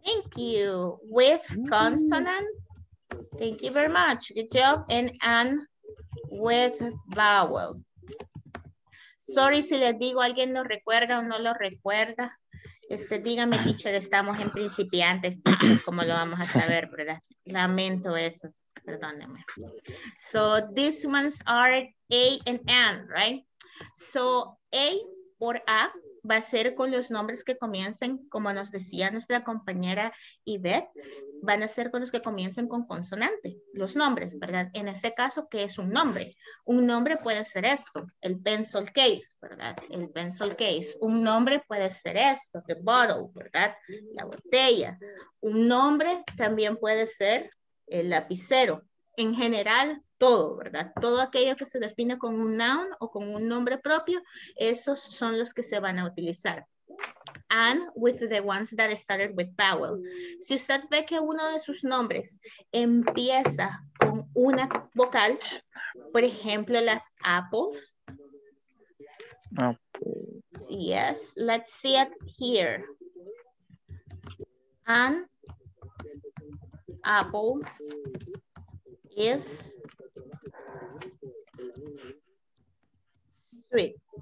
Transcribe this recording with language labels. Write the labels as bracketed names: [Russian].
[English] Thank you, with consonant. Thank you very much, good job. And am, with vowel. [Spanish] Sorry si les digo, alguien lo recuerda o no lo recuerda. Dígame, teacher, estamos en principiantes, como lo vamos a saber, ¿verdad? Lamento eso, perdónenme. [English] So, these ones are A and N, right? [Spanish] So, A por A va a ser con los nombres que comiencen, como nos decía nuestra compañera Yvette, van a ser con los que comiencen con consonante, los nombres, ¿verdad? En este caso, ¿qué es un nombre? Un nombre puede ser esto, el pencil case, ¿verdad? El pencil case. Un nombre puede ser esto, [English] the bottle, [Spanish] ¿verdad? La botella. Un nombre también puede ser el lapicero. En general, todo, ¿verdad? Todo aquello que se define con un noun o con un nombre propio, esos son los que se van a utilizar. [English] And with the ones that started with vowel. [Spanish] Si usted ve que uno de sus nombres empieza con una vocal, por ejemplo, las apples. [English] Apple. Yes, let's see it here. An apple is sweet.